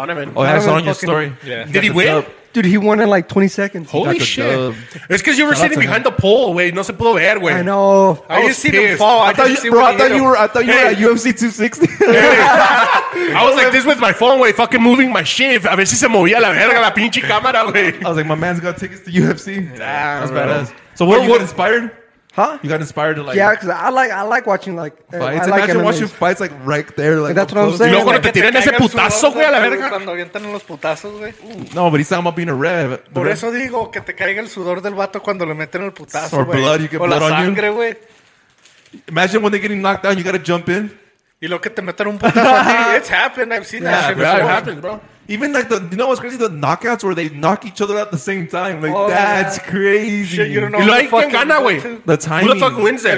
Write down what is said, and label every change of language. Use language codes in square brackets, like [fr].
[en] Donovan. Oh, that's on your story. Yeah. Did he win? Dub. Dude, he won in like 20 seconds. Holy shit. It's because you were sitting behind the pole, güey. [es] No se pudo ver, güey. [en] I know. I just seen him fall. I thought you were at UFC 260. Hey. I was like this with my phone, güey. Fucking moving my shit. [es] A ver si se movía la verga la pinche cámara, güey. [en] I was like, my man's got tickets to UFC. Damn, that's badass. So what you got inspired? Huh? You got inspired to like... Yeah, because I like watching like... Fights. Imagine like watching fights like right there. Like, that's what I'm saying. You know when they throw that putazo, güey, [es] a la verga? Cuando avientan los putazos, güey. [en] No, but he's talking about being a rev. [es] Por eso digo que te caiga el sudor del vato cuando le meten el putazo, güey. [en] Or blood, you get blood on you. [es] O la sangre, güey. [en] Imagine when they're getting knocked down, you got to jump in. [es] Y lo que te meten un putazo. [en] It's happened. I've seen that shit before. Yeah, it happens, bro. Even like you know what's crazy? The knockouts where they knock each other out at the same time. Like, that's crazy. Shit, you don't know who the fuck can win. The timing. Who the fuck wins there?